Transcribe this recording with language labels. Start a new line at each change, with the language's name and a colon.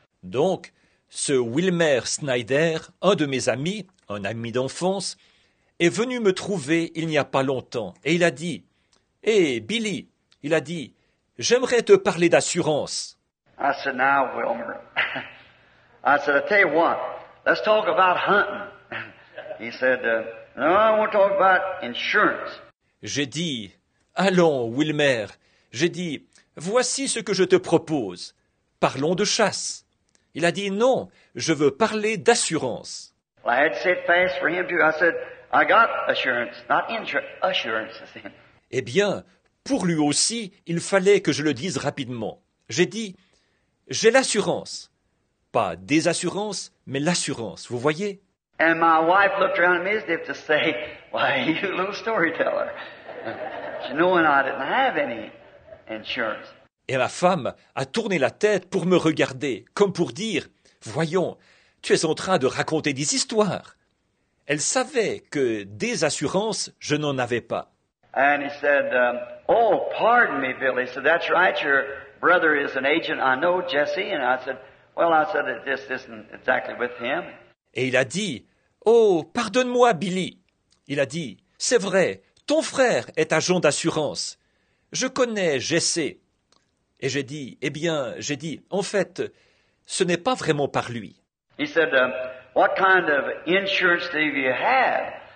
French: Donc, ce Wilmer Snyder, un de mes amis, un ami d'enfance, est venu me trouver il n'y a pas longtemps et il a dit, hey, Billy, il a dit, j'aimerais te parler d'assurance.
English: I said, now, Wilmer, I said, I'll tell you what, let's talk about hunting. He said, no, I want to talk about insurance.
French: J'ai dit, allons, Wilmer. J'ai dit, voici ce que je te propose. Parlons de chasse. Il a dit, non, je veux parler d'assurance.
English: Well, I had said fast for him too. I said, I got assurance, not assurance.
French: Eh bien, pour lui aussi, il fallait que je le dise rapidement. J'ai dit, j'ai l'assurance. Pas des assurances, mais l'assurance, vous voyez?
English: And my wife looked around at me as if to say, why, you little storyteller. She knowing I didn't have any insurance.
French: Et ma femme a tourné la tête pour me regarder, comme pour dire, voyons, tu es en train de raconter des histoires. Elle savait que des assurances, je n'en avais pas.
English: And he said, oh, pardon me, Billy. He said, that's right, your brother is an agent. I know Jesse. And I said, well, I said, this isn't exactly with him.
French: Et il a dit, oh, pardonne-moi, Billy. Il a dit, c'est vrai, ton frère est agent d'assurance. Je connais Jesse. Et j'ai dit, eh bien, j'ai dit, en fait, ce n'est pas vraiment par lui.
English: He said, what kind of insurance do you have?